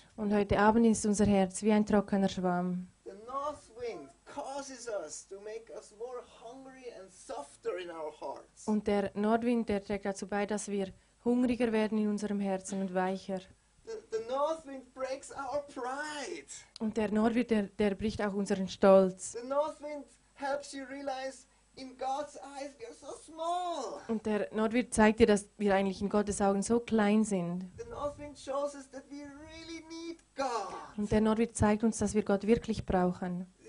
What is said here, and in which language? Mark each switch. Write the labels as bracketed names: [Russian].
[German] Und heute Abend ist unser Herz wie ein trockener Schwamm. [English] The north wind causes us to make us more hungry and softer in our hearts. [German] Und der Nordwind, der trägt dazu bei, dass wir hungriger werden in unserem Herzen und weicher. [English] The north wind breaks our pride. [German] Und der Nordwind, der bricht auch unseren Stolz. [English] The north wind helps you realize in God's eyes we are so small. [German] Und der Nordwind zeigt dir, dass wir eigentlich in Gottes Augen so klein sind. [English] The north wind shows us that we really need God. [German] Und der Nordwind zeigt uns, dass wir Gott wirklich brauchen.